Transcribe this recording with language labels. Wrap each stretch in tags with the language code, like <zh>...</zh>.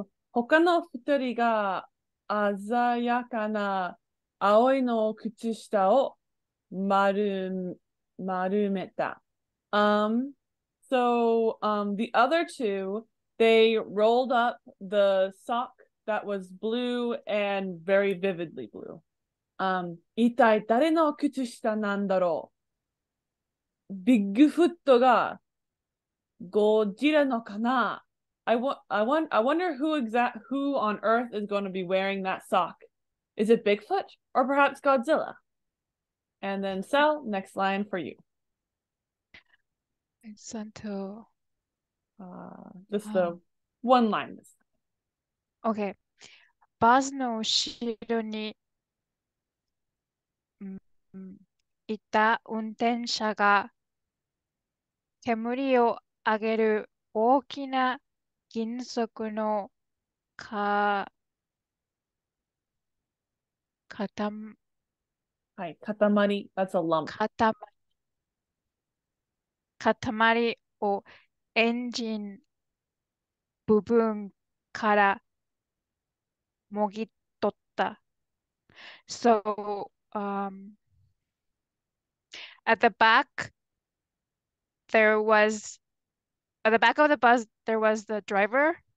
<ja>他の二人が鮮やかな青いの靴下を丸めた。</ja> <en>The other two, they rolled up the sock that was blue and very vividly blue.</en> <ja>一体誰の靴下なんだろう? ビッグフットがゴジラのかな?</ja> <en>I wonder who on earth is going to be wearing that sock. Is it Bigfoot or perhaps Godzilla? And then Sal, next line for you. Santo. Just the one line. Okay.</en> <ja>バスの後ろにいた運転者が煙を上げる大きな銀色のか、かた、はい、かたまり、</ja> <en>that's a lump.</en> <ja>かたまりをエンジン部分からもぎ取った。</ja> <en>So, at the back,There was at the back of the bus, there was the driver.</en>